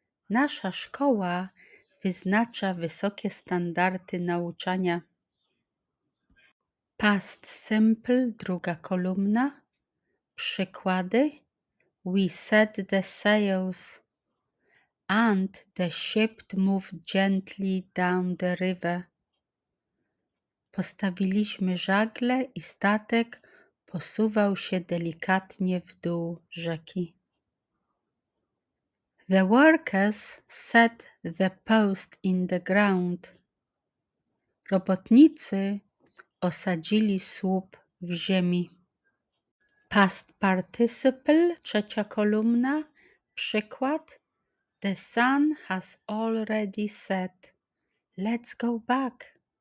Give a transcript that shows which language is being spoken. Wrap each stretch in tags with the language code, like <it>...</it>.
<pl>Nasza szkoła wyznacza wysokie standardy nauczania. Past simple, druga kolumna. Przykłady.</pl> <en>We set the sails and the ship moved gently down the river.</en> <pl>Postawiliśmy żagle i statek posuwał się delikatnie w dół rzeki.</pl> <en>The workers set the post in the ground.</en> <pl>Robotnicy osadzili słup w ziemi. Past participle, trzecia kolumna, przykład.</pl> <en>The sun has already set. Let's go back.</en>